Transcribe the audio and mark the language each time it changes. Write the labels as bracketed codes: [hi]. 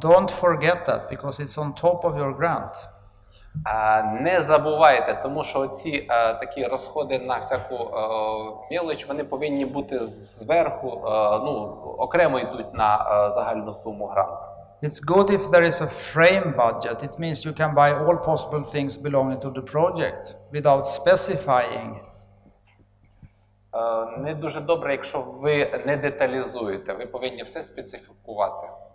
[en] Don't forget that, because it's on top of your grant. [uk] Не забувайте, тому що ці такі розходи на всяку мілоч, вони повинні бути зверху, окремо йдуть на загальну суму гранту. [en] It's good if there is a frame budget. It means you can buy all possible things belonging to the project without specifying. [uk] Не дуже добре, якщо ви не деталізуєте, ви повинні все специфікувати.